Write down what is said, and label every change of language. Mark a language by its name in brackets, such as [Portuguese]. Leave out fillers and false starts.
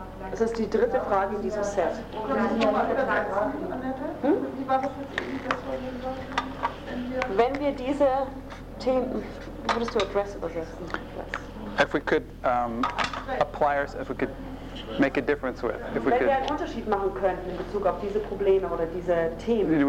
[German] Das ist die dritte Frage in diesem Set. Wenn wir diese Themen, würdest du address übersetzen? [English] If we could apply us, if we could make a difference with. If we [German] wenn wir einen Unterschied machen könnten in Bezug auf diese Probleme oder diese Themen.